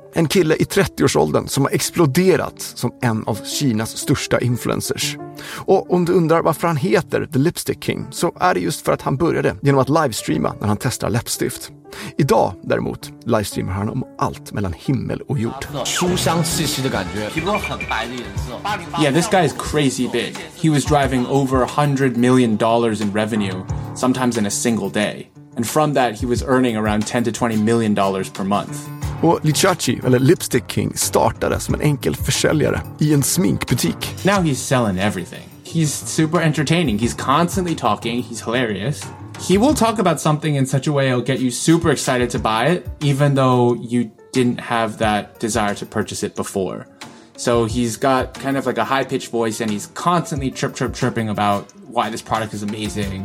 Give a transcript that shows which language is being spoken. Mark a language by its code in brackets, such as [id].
[sv] En kille i 30-årsåldern som har exploderat som en av Kinas största influencers. Och om du undrar varför han heter The Lipstick King, så är det just för att han började genom att livestreama när han testar läppstift. Idag däremot livestreamar han om allt mellan himmel och jord. [en] Yeah, this guy is crazy big. He was driving over $100 million in revenue, sometimes in a single day. And from that he was earning around $10 to $20 million per month. [sv] Och Lichachi, eller Lipstick King, startade som en enkel försäljare i en sminkbutik. [en] Now he's selling everything. He's super entertaining. He's constantly talking. He's hilarious. He will talk about something in such a way it'll get you super excited to buy it, even though you didn't have that desire to purchase it before. So he's got kind of like a high-pitched voice, and he's constantly chirping about why this product is amazing.